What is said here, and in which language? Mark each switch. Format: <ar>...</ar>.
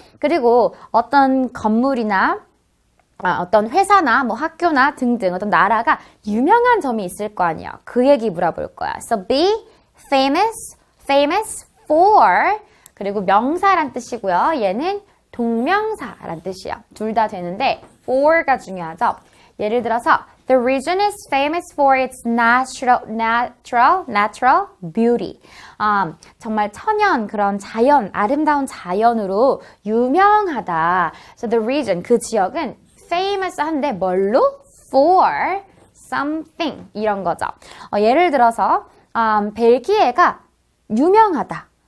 <ko>그리고 어떤 건물이나 어떤 회사나 뭐 학교나 등등 어떤 나라가 유명한 점이 있을 거 아니에요. 그 얘기 물어볼 거야.</ko> <en>So be famous, famous for</en> <ko>그리고 명사란 뜻이고요. 얘는 동명사란 뜻이에요. 둘 다 되는데 for가 중요하죠. 예를 들어서</ko> <en>The region is famous for its natural beauty.</en> <ko>정말 천연 그런 자연 아름다운 자연으로 유명하다.</ko> <en>So the region</en> <ko>그 지역은 famous한데 뭘로?</ko> <en>For something</en> <ko>이런 거죠. 예를 들어서 벨기에가 유명하다.</ko>